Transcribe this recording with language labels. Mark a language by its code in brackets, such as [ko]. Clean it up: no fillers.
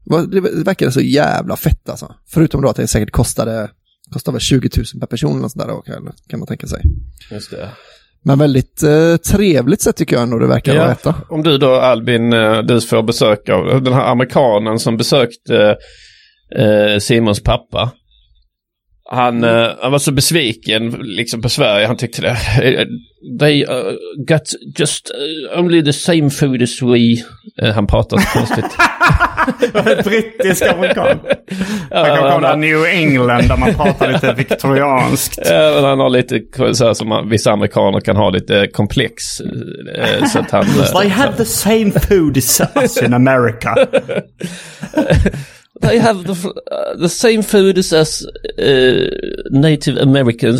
[sv] Det verkade så jävla fett alltså. Förutom då att det säkert kostade väl 20 000 per person eller sådär då, kan man tänka sig. Just det. Men väldigt trevligt sätt tycker jag ändå det verkar att äta. Om du då Albin, du får besök av den här amerikanen som besökte Simons pappa. Han var så besviken liksom på Sverige. Han tyckte det. [en] They got just only the same food as we. [sv] Han pratade konstigt. Brittisk amerikan. Han kom från New England där man pratar lite viktorianskt. Ja, men han har lite så här som vissa amerikaner kan ha lite komplex. Så att han, [en] they have the same food as us in America. They have the same food as Native Americans.